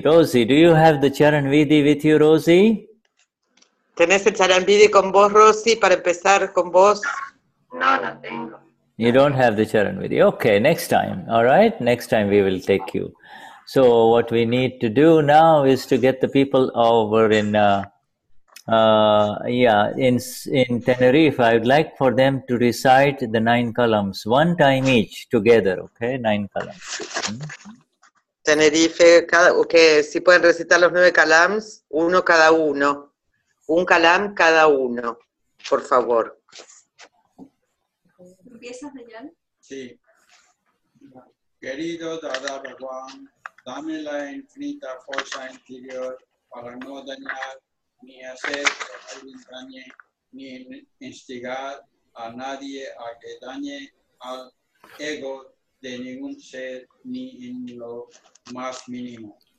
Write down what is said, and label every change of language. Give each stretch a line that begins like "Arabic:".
English: Rosie, do you have the Charanvidhi with you, Rosie?
Spanish: ¿Tenés el Charanvidhi con vos, Rosie, para empezar con vos? No tengo.
English: You don't have the Charanvidhi. Okay, next time. All right? Next time we will take you. So what we need to do now is to get the people over in Tenerife. I would like for them to recite the 9 columns one time each together. Okay, 9 columns.
Spanish: Tenerife, que si pueden recitar los 9 kalams, uno cada uno. Un kalam cada uno, por favor. ¿Empiezas, Dayan? Sí. Querido Dada Bhagwan, dame la infinita fuerza interior para no dañar ni hacer que alguien dañe, ni instigar a nadie a que dañe al ego de ningún ser ni en lo más mínimo.